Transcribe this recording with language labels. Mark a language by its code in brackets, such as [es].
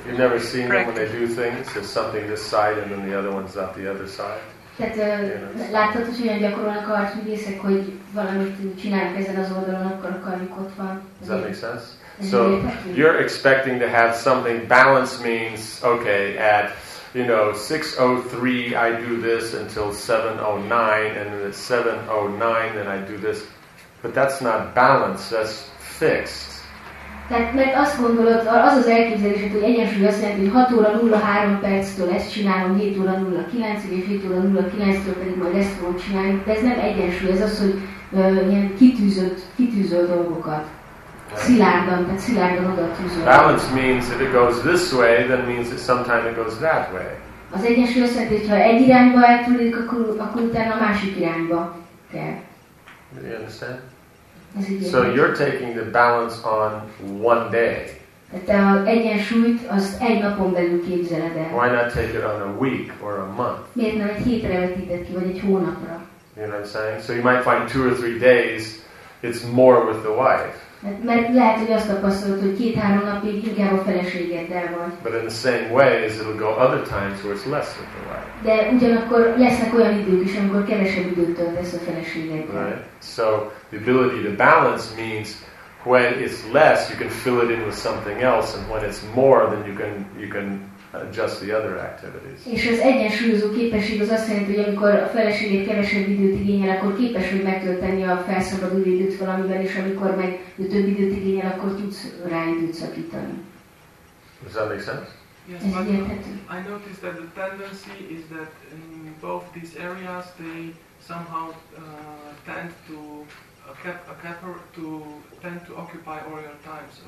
[en] You've never seen them when they do things. There's something this side, and then the other one's up the other side. [hu] Láttad, hogy olyan gyakorolnak a harcművészek, hogy valamit csinálnak ezen az oldalon, akkor a karjuk ott van. [en] Does that make sense? So you're expecting to have something. Balance means okay. At 6:03, I do this until 7:09, and then at 7:09, then I do this. But that's not balance, that's fixed. [hu] Tehát mert azt gondolod, az az elképzelésed, hogy egyensúly azt jelenti, hogy 6:03-tól ezt csinálom, 7:09-ig, és 7:09-tól pedig majd ezt fogom csinálni. De ez nem egyensúly, ez az, hogy ilyen kitűzölt dolgokat. Szilárdan, tehát szilárdan oda tűzölt. [en] Balance means if it goes this way, then means that sometime it goes that way. [hu] Az egyensúly azt jelenti, hogy ha egy irányba eltűnik, akkor utána a másik irányba kell. [en] Do you understand? So you're taking the balance on one day. [hu] Te az egyensúlyt azt egy napon belül képzeled el. [en] Why not take it on a week or a month? [hu] Miért nem egy hétre vetíted ki, vagy egy hónapra? [en] You know what I'm saying? So you might find 2 or 3 days, it's more with the wife. [hu] Mert lehet, hogy azt tapasztalod, hogy 2-3 napig inkább a feleségeddel vagy. [en] But in the same way, it'll go other times where it's less with the wife. [hu] De ugyanakkor lesznek olyan idők is, amikor kevesebb időt töltesz a feleségeddel. [en] Right. So the ability to balance means when it's less, you can fill it in with something else, and when it's more, then you can adjust the other activities. [hu] És az egyensúlyozó képesség az azt jelenti, hogy amikor a feleséged kevesebb időt igényel, akkor képes vagy megtölteni a felszabaduló időt valamivel, és amikor meg több időt igényel, akkor tudsz rá időt szakítani. [en] Does that make sense? Yes, I noticed that the tendency is that in both these areas they somehow tend to occupy all your time.